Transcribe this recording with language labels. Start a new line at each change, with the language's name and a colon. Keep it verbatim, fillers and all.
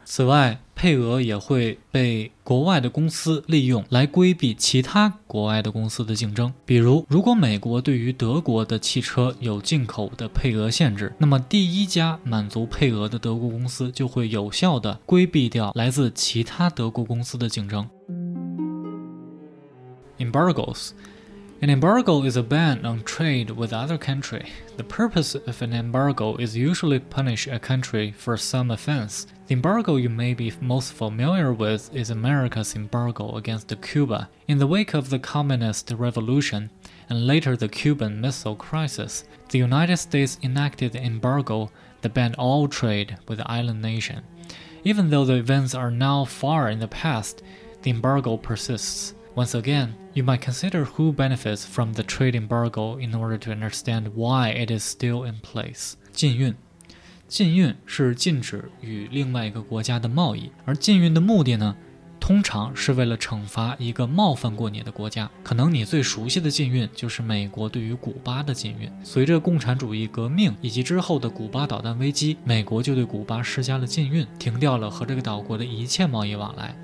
Chinese: 此外，配额也会被国外的公司利用来规避其他国外的公司的竞争。比如，如果美国对于德国的汽车有进口的配额限制，那么第一家满足配额的德国公司就会有效地规避掉来自其他德国公司的竞争。
English: Embargoes. An embargo is a ban on trade with other country. The purpose of an embargo is usually punish a country for some offense. The embargo you may be most familiar with is America's embargo against Cuba. In the wake of the Communist Revolution and later the Cuban Missile Crisis, the United States enacted an embargo that banned all trade with the island nation. Even though the events are now far in the past, the embargo persists. Once again, you might consider who benefits from the trade embargo in order to understand why it is still in place.
Chinese: 禁运，禁运是禁止与另外一个国家的贸易，而禁运的目的呢，通常是为了惩罚一个冒犯过你的国家。可能你最熟悉的禁运就是美国对于古巴的禁运。随着共产主义革命以及之后的古巴导弹危机，美国就对古巴施加了禁运，停掉了和这个岛国的一切贸易往来。